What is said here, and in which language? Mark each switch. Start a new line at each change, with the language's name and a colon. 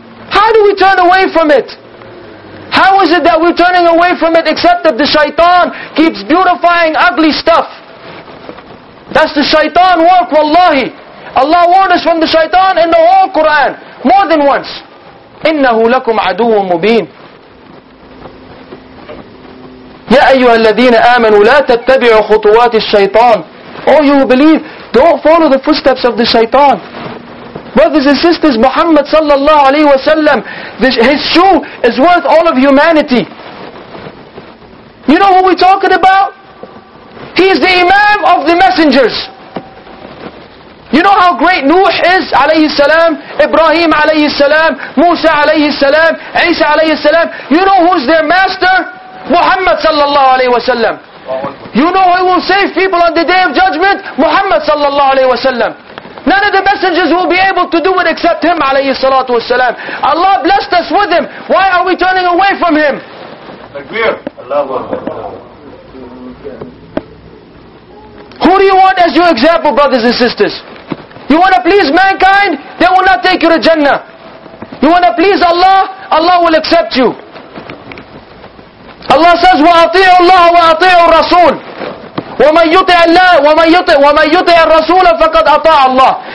English: How do we turn away from it? How is it that we're turning away from it except that the shaitan keeps beautifying ugly stuff? That's the shaitan work, wallahi. Allah warned us from the shaitan in the whole Quran, more than once.
Arabic: إِنَّهُ لَكُمْ عَدُوٌ مُبِينٌ. يا أيها الذين آمنوا لا تتبعوا خطوات الشيطان.
English: Oh you believe, don't follow the footsteps of the shaitan. Brothers and sisters, Muhammad sallallahu alayhi wa sallam, his shoe is worth all of humanity. You know who we're talking about? He is the imam of the messengers. You know how great Nuh is, alayhi salam, Ibrahim alayhi salam, Musa alayhi salam, Isa alayhi salam. You know who's their master? Muhammad sallallahu alayhi wa sallam. You know who will save people on the day of judgment? Muhammad sallallahu alayhi wa sallam. None of the messengers will be able to do it except him, alayhi salatu wa salam. Allah blessed us with him. Why are we turning away from him?
Arabic: Takbir. Allahu Akbar.
English: Who do you want as your example, brothers and sisters? You want to please mankind? They will not take you to Jannah. You want to please Allah? Allah will accept you. Allah says,
Arabic: وَأَطِيعُ اللَّهَ وَأَطِيعُ الرَّسُولِ وَمَنْ يُطِعَ اللَّهَ وَمَنْ يُطِعَ الرَّسُولَ فَقَدْ أَطَاعَ اللَّهَ.